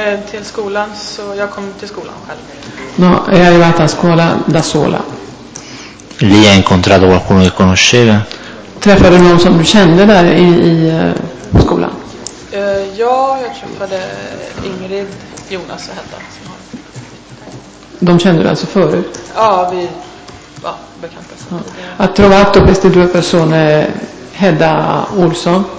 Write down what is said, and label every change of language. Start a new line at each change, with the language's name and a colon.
Swedish: Till skolan, så jag kom till skolan själv.
Italian: No, è arrivata a scuola da sola. Lì ha incontrato qualcuno che conosceva?
Swedish: Träffade någon som du kände där i skolan? Ja, jag träffade Ingrid, Jonas och Hedda. De kände du alltså förut? Ja, vi var bekanta. Ja.
Italian: Att trovato queste due persone, Hedda Olsson.